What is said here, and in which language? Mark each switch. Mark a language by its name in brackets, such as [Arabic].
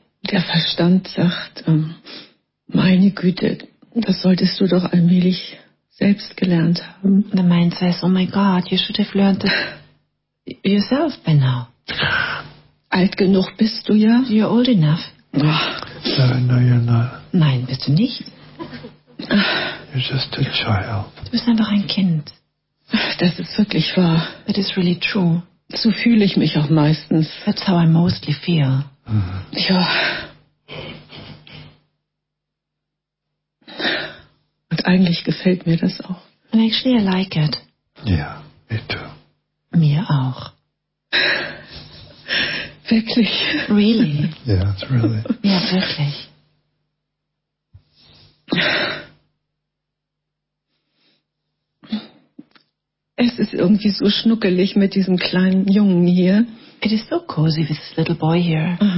[German] Der Verstand sagt, meine Güte, das solltest du doch allmählich selbst gelernt haben. [English] The mind says, oh my God, you should have learned it yourself by now. [German] Alt genug bist du ja. [English] You're old enough. No, you're not. [German] Nein, bist du nicht. [English] You're just a child. [German] Du bist einfach ein Kind. Das ist wirklich wahr. [English] That is really true. [German] So fühle ich mich auch meistens. [English] That's how I mostly feel. [German] Mhm. Ja. Und eigentlich gefällt mir das auch. [English] And actually I like it. Ja, me too. [German] Mir auch. Wirklich. [English] Really? Ja, yeah, it's really. [German] Ja, wirklich. Es ist irgendwie so schnuckelig mit diesem kleinen Jungen hier. [English] It is so cozy with this little boy here.